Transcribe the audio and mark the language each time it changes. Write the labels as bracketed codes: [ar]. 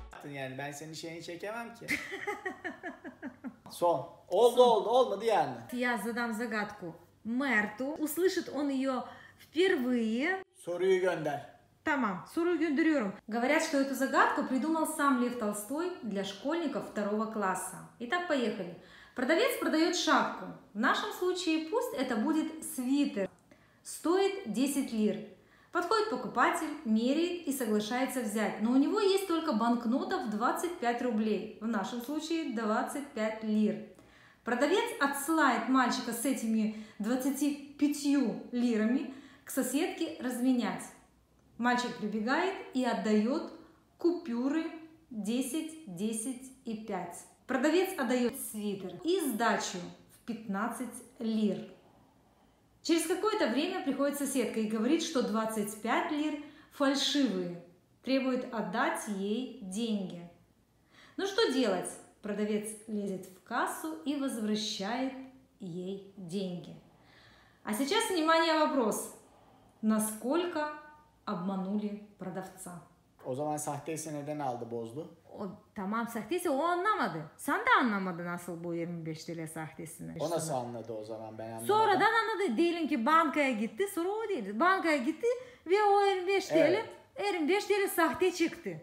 [tr] Yani senin şeyini çekemem ki. Son. Oldu son. Oldu, olmadı yani. [ru] Я задам загадку Мерту. Услышит он ее впервые. [tr] Soruyu gönder. Tamam, soruyu gönderiyorum. [ru] Говорят, что эту загадку придумал сам Лев Толстой для школьников второго класса. Итак, поехали. Продавец продает шапку. В нашем случае пусть это будет свитер. Стоит 10 лир. Подходит покупатель, меряет и соглашается взять. Но у него есть только банкнота в 25 рублей. В нашем случае 25 лир. Продавец отсылает мальчика с этими 25 лирами к соседке разменять. Мальчик прибегает и отдает купюры 10, 10 и 5. Продавец отдает свитер и сдачу в 15 лир. Через какое-то время приходит соседка и говорит, что 25 лир фальшивые, требует отдать ей деньги. Ну что делать? Продавец лезет в кассу и возвращает ей деньги. А сейчас, внимание, вопрос. Насколько обманули продавца? [tr] O zaman sahteyse neden aldı, bozdu? O, tamam, sahteyse o anlamadı. Sen de anlamadın nasıl bu 25 TL sahtesini. O nasıl anladı o zaman, ben anlamadım. Sonradan anladı. Diyelim ki bankaya gitti, sonra o değil. Bankaya gitti ve o 25 TL, evet. 25 TL sahte çıktı.